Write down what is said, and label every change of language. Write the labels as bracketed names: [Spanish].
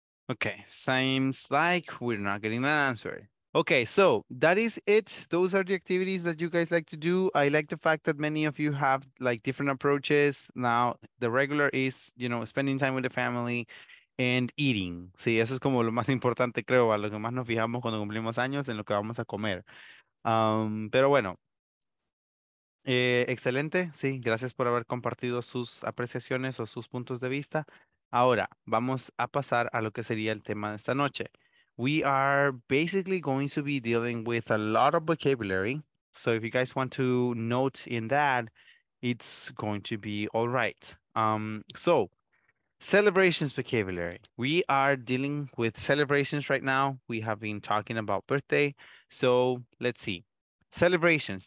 [English] Okay, seems like we're not getting an answer. Okay, so that is it. Those are the activities that you guys like to do. I like the fact that many of you have like different approaches. Now, the regular is, you know, spending time with the family and eating. [Spanish] Sí, eso es como lo más importante, creo, a lo que más nos fijamos cuando cumplimos años en lo que vamos a comer. Pero bueno. Excelente, sí, gracias por haber compartido sus apreciaciones o sus puntos de vista. Ahora, vamos a pasar a lo que sería el tema de esta noche. [English] we are basically going to be dealing with a lot of vocabulary. So if you guys want to note in that, it's going to be all right. So celebrations vocabulary. We are dealing with celebrations right now. We have been talking about birthday. So let's see. Celebrations.